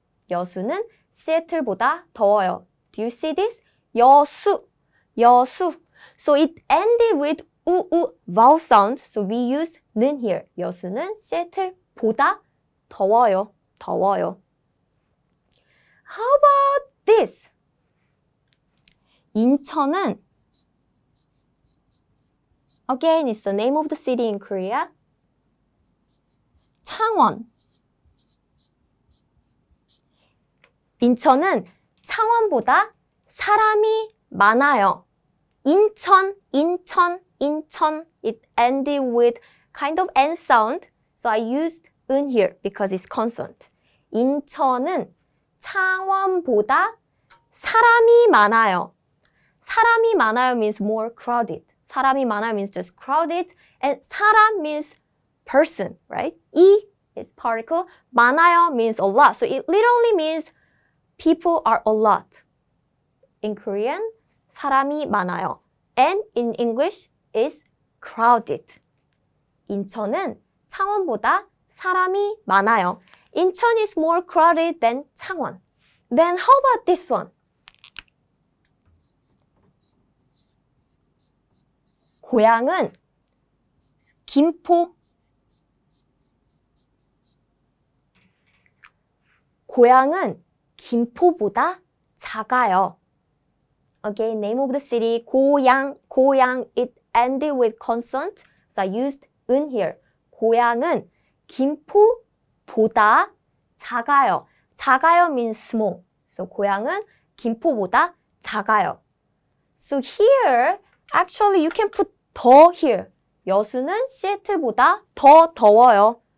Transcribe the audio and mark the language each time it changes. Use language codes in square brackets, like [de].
[ko] 여수는 시애틀보다 더워요. [en] Do you see this? 여수, 여수. So it ended with 우우 vowel sound. So we use 는 here. [ko] 여수는 시애틀보다 더워요, 더워요. [en] How about this? 인천은 again it's the name of the city in Korea. [ko] 창원. 인천은 창원보다 사람이 많아요. [en] 인천, 인천, 인천. It ended with kind of N sound. So I used 은 here because it's consonant. [ko] 인천은 창원보다 사람이 많아요. 사람이 많아요 [en] means more crowded. 사람이 많아요 means just crowded. And 사람 means person, right? 이 is particle. 많아요 means a lot. So it literally means people are a lot. In Korean, [ko] 사람이 많아요. [en] And in English, is crowded. [ko] 인천은 창원보다 사람이 많아요. [en] Incheon is more crowded than Changwon. Then how about this one? [ko] 고향은 김포. 고향은 김포보다 작아요. [en] Okay, name of the city. 고향, 고향. It ended with consonant, so I used 은 here. [ko] 고향은 김포보다 작아요. [en] 작아요 means small. [ko] So 고향은 김포보다 작아요. [en] So here, actually you can put 더 here. [ko] 여수는 시애틀보다 더 더워요.